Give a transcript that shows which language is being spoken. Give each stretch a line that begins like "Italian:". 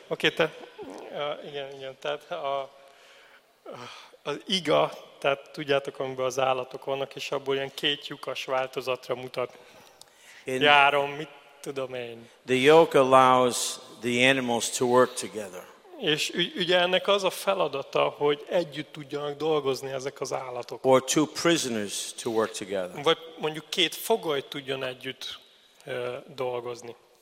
Hungarian: Okay, tehát, igen, tehát az iga, tehát tudjátok, amiben az állatok vannak, és abból ilyen két lyukas változatra mutat. Járom, mit tudom én.
English: The yoke allows the animals to work together.
Hungarian: És ugye ennek az a feladata, hogy együtt tudjanak dolgozni ezek az állatok.
English: Or two prisoners to work together.
Hungarian: Vagy mondjuk két fogoly tudjon együtt dolgozni.